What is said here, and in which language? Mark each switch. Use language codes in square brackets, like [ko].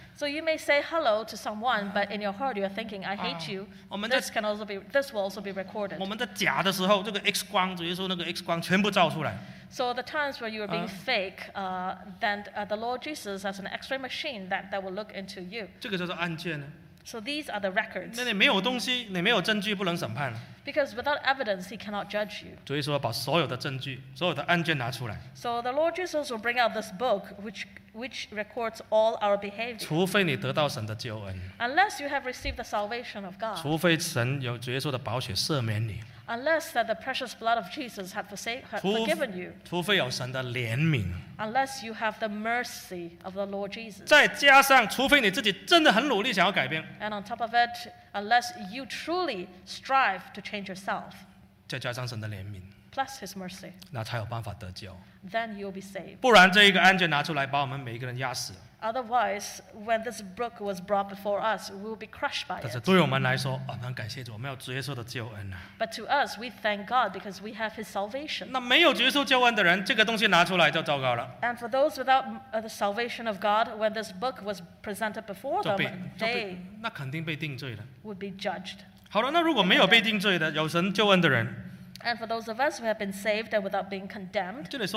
[en] So you may say hello to someone, but in your heart you are thinking, I hate you. This will also be recorded. [zh] 我们在假的时候, 这个 X 光, 主耶稣那个 X 光, 全部照出来。 [en] So the times where you are being fake, the Lord Jesus has an X-ray machine that will look into you. [zh] 这个叫做案件呢? [en] So these are the records. [zh] 那你没有东西, 你没有证据, 不能审判。 [en] Because without evidence, he cannot judge you. [zh] 主耶稣把所有的证据, 所有的案件拿出来。 [en] So the Lord Jesus will bring out this book, which records all our behavior. [zh] 除非你得到神的救恩。 [en] Unless you have received the salvation of God. [zh] 除非神有主耶稣的宝血赦免你。 [en] Unless that the precious blood of Jesus had forgiven you. [zh] 除非有神的怜悯。 [en] Unless you have the mercy of the Lord Jesus. [zh] 再加上, 除非你自己真的很努力想要改变。 [en] And on top of it, unless you truly strive to change yourself. [zh] 再加上神的怜悯, [en] plus his mercy, [zh] 那才有办法得救, [en] then you will be saved. [zh] 不然这一个案卷拿出来, [en] Otherwise, when this book was brought before us, we will be crushed by it. [zh] 但是对我们来说, 我们感谢主, 我们有主耶稣的救恩, [en] but to us, we thank God because we have his salvation. [zh] 那没有主耶稣救恩的人, 这个东西拿出来就糟糕了, [en] and for those without the salvation of God, when this book was presented before them, [zh] 就被, 那肯定被定罪了, [en] would be judged. [zh] 好了，那如果没有被定罪的，有神救恩的人， [en] and for those of us who have been saved and without being condemned,